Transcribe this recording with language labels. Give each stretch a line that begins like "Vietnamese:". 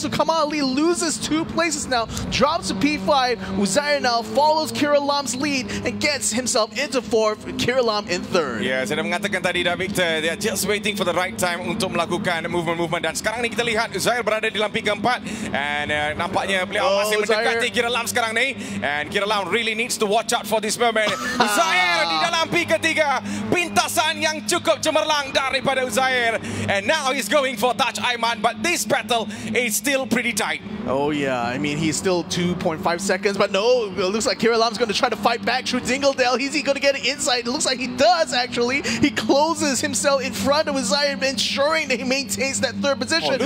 English: So Kamal Ali loses two places now, drops to P5. Uzair now follows Kira Lam's lead and gets himself into fourth. Kira Alam in third.
Malay: Ya, saya dah mengatakan tadi dah Victor,
English: they are just waiting for the right time
Malay: untuk melakukan movement-movement. Dan sekarang ni kita lihat Zahir berada di dalam pick keempat. And nampaknya beliau masih mendekati Zahir. Kira Alam sekarang ni.
English: And Kira Alam really needs to watch out for this moment.
Malay: Zahir di dalam pick ketiga. Pintasan yang cukup cemerlang daripada Zahir.
English: And now he's going for Touch Aiman, but this battle is still pretty tight. Oh yeah, I mean he's still 2.5 seconds, but no, it looks like Kira Lam's going to try to fight back through Dingledale. Is he going to get it inside? It looks like he does actually. He closes himself in front of Zion, ensuring that he maintains that third position.